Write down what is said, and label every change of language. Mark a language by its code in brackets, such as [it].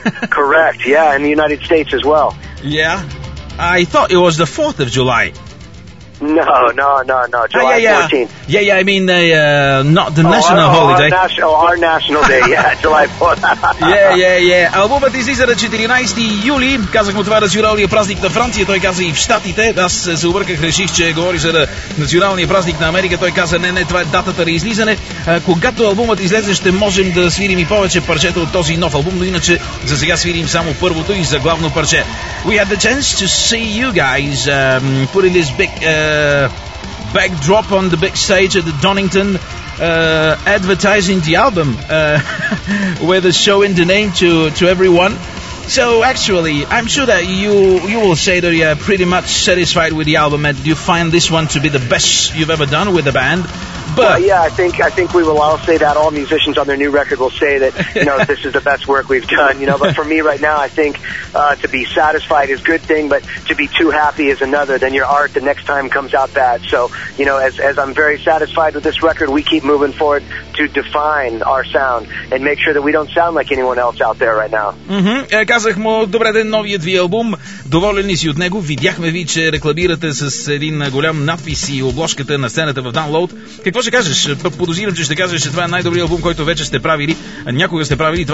[en] Correct, yeah, in the United States as well. Yeah, I thought it was the 4th of July. No, July 14th. Yeah, I mean, not the national holiday. Our national day, yeah, July 4th. [bg] Yeah. Албумът излиза на 14 юли. Казах му това националния празник на Франция. Той каза и в Штатите. Аз се обърках, реших, че говори за националния празник на Америка. Той каза, не, това е датата на излизане. Когато албумът излезе, ще можем да свирим и повече парчета от този нов албум. Но иначе, за сега свирим само първото и за главно парче. [en] We had the chance to see you guys put in this big backdrop on the big stage at the Donington, advertising the album with a show in the name to everyone. So actually, I'm sure that you will say that you are pretty much satisfied with the album and you find this one to be the best you've ever done with the band. But well, yeah, I think we will all say that. All musicians on their new record will say that, you know, this is the best work we've done, you know. But for me right now, I think to be satisfied is a good thing, but to be too happy is another. Then your art the next time comes out bad. So, you know, as I'm very satisfied with this record, we keep moving forward to define our sound and make sure that we don't sound like anyone else out there right now. Mm-hmm. [bg] Казах му, добре ден, новият ви албум. Доволен ли си от него? Видяхме ви, че рекламирате с един голям надпис и обложката на сцената в Download. Какво ще кажеш? Подозирам, че ще кажеш, че това е най-добрият албум, който вече сте правили. Някога сте правили.